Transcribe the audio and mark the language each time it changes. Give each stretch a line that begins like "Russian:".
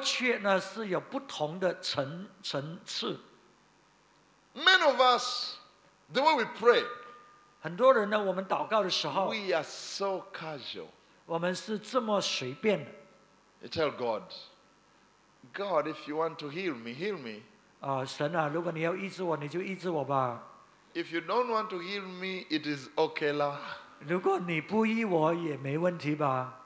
Chinese: 是这个迫切呢，是有不同的层次。
English: Many of us, the way we pray,
Chinese: 很多人呢，我们祷告的时候,
English: we are so casual.
Chinese: 我们是这么随便的。
English: You tell God, God, if you want to heal me, heal me.
Chinese: 神啊，如果你要医治我，你就医治我吧。
English: If you don't want to heal me, it is okay lah.
Chinese: 如果你不医我也没问题吧。